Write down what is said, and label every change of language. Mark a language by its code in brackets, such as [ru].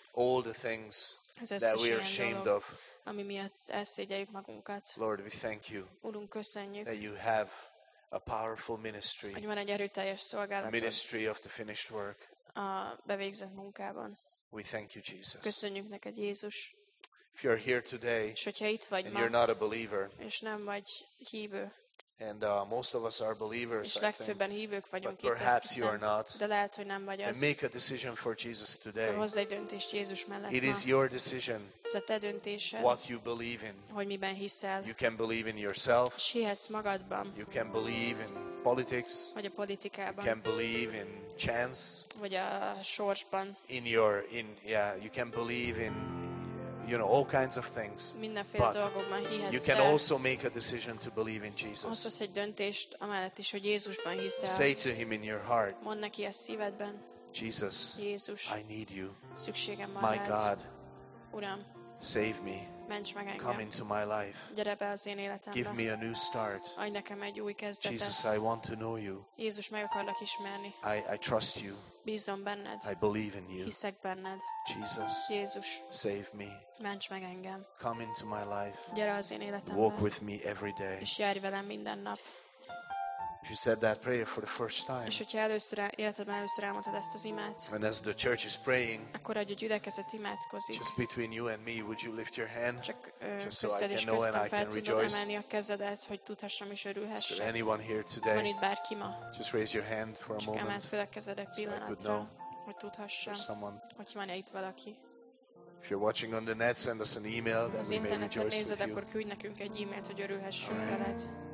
[en] all the things that we are ashamed of, [hu] ami miatt elszégyeljük magunkat. [en] Lord, we thank you, [hu] Urunk, köszönjük, [en] that you have a powerful ministry, [hu] hogy van egy erőteljes szolgálatod, [en] a ministry of the finished work, [hu] a bevégzett munkában. [en] We thank you, Jesus. [hu] Köszönjük neked, Jézus. [en] If you're here today, [hu] és hogyha itt vagy [en] and [hu] ma, [en] you're not a believer, [hu] és nem vagy hívő, [en] and most of us are believers, [hu] és legtöbben hívők vagyunk, [en] but perhaps you are not. [hu] De lehet, hogy nem vagy az. [en] And make a decision for Jesus today. [hu] Hozz egy döntést Jézus mellett. [en] It is your decision. [hu] Ez a te döntésed. [en] What you believe in. [hu] Hogy miben hiszel. [en] You can believe in yourself. [hu] Hihetsz magadban. [en] You can believe in politics. [hu] Vagy a politikában. [en] You can believe in chance. [hu] Vagy a sorsban. [en] In your in yeah, you can believe in, you know, all kinds of things. [hu] Mindenféle dolgokban hihetsz. [en] You can also make a decision to believe in Jesus. [hu] Hozhatsz egy döntést amellett is, hogy Jézusban hiszel. [en] Say to him in your heart, [hu] mondd neki a szívedben, [en] Jesus, [hu] Jézus, [en] I need you. [hu] Szükségem van rád. [en] My God, [hu] Uram, [en] save me. [hu] ments meg engem. [en] Come into my life. [hu] Gyere be az én életembe. [en] Give me a new start. [hu] Adj nekem egy új kezdetet. [en] Jesus, I want to know you. [hu] Jézus, meg akarlak ismerni. [en] I trust you. [hu] Bízom benned. [en] I believe in you. [hu] Hiszek benned. [en] Jesus. [hu] Jézus. [en] Save me. [hu] Ments meg engem. [en] Come into my life. [hu] Gyere az én életembe. [en] Walk with me every day. [hu] És járj velem minden nap. [en] If you said that prayer for the first time, [hu] és hogyha először elmondtad ezt az imát, [en] and as the church is praying, [hu] akkor egy gyülekezet imádkozik, [en] just between you and me, would you lift your hand, [hu] csak közted és köztem fel tudod emelni a kezedet, hogy tudhassam és örülhessem. [en] Is there anyone here today? [hu] Van itt bárki ma? [en] Just raise your hand for a moment. [hu] Csak emeld fel a kezedet pillanatra, hogy tudhassam, hogy van-e itt valaki. [en] If you're watching on the net, send us an email, then we may rejoice with you. [hu] Ha nézed, akkor küldj nekünk egy e-mailt, hogy örülhessünk veled.